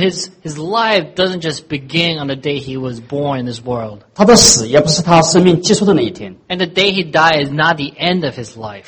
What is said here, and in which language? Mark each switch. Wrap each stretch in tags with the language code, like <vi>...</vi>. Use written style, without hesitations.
<en>his life doesn't just begin on the day he was born in this world.</en> <zh>他的死也不是他生命结束的那一天。</zh> <en>And the day he died is not the end of his life.</en>